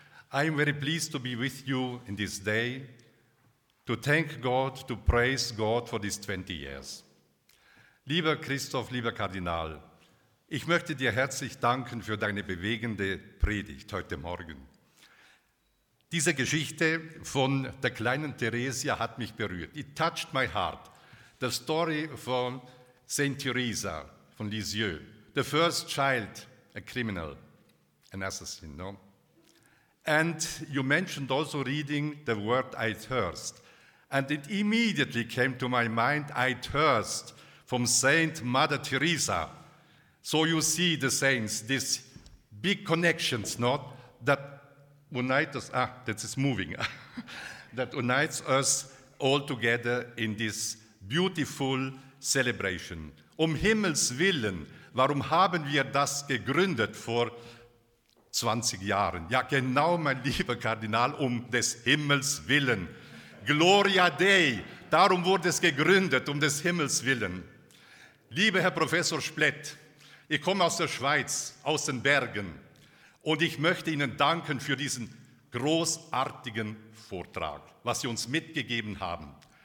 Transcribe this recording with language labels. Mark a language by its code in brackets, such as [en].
[en] I am very pleased to be with you in this day, to thank God, to praise God for these 20 years. [de] Lieber Christoph, lieber Kardinal, ich möchte dir herzlich danken für deine bewegende Predigt heute Morgen. Diese Geschichte von der kleinen Theresia hat mich berührt. [en] It touched my heart. The story von St. Teresa von Lisieux, the first child, a criminal, an assassin, no? And you mentioned also reading the word I thirst. And it immediately came to my mind, I thirst, from Saint Mother Teresa. So you see the saints, these big connections, no? That unite us, this is moving. That unites us all together in this beautiful celebration. [de] Um Himmels Willen, warum haben wir das gegründet vor 20 Jahren? Ja, genau, mein lieber Kardinal, um des Himmels Willen. [la] Gloria Dei, [de] darum wurde es gegründet, um des Himmels Willen. Lieber Herr Professor Splett, ich komme aus der Schweiz, aus den Bergen, und ich möchte Ihnen danken für diesen großartigen Vortrag, was Sie uns mitgegeben haben.